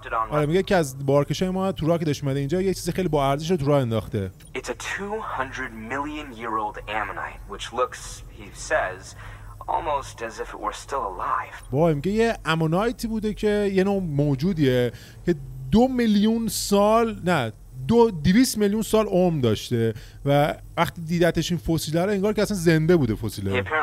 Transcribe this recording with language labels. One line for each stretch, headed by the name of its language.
Persian: آره میگه که از بارکشای ما تو راه که داشت اومده اینجا یه چیز خیلی با ارزش رو تو راه انداخته.
English: It's a 200 million year old ammonite which looks, he says, almost as if it were still alive.
Persian: وای میگه یه امونایتی بوده که یه نوع موجودیه که 2 میلیون سال نه 200 میلیون سال عمر داشته و وقتی دیدتش این فسیله رو انگار که اصلا زنده بوده فسیله.